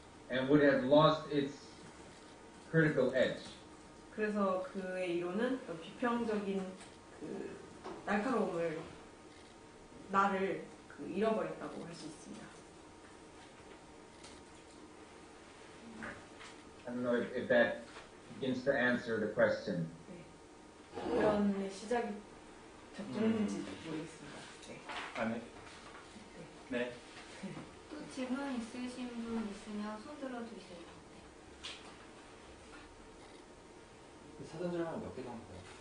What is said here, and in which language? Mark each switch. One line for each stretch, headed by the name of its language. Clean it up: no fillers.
English: And would have lost its critical edge.
Korean: 그래서 그의 이론은 비평적인 그 날카로움을 나를 그 잃어버렸다고 할 수 있습니다.
English: I don't know if that begins to answer the question.
Korean: 그런 시작이 적절한지 모르겠습니다. 네. 아, 네. 네. 또 질문 있으신 분 있으면 손 들어주세요. 사전 질문 몇 개 정도 돼요?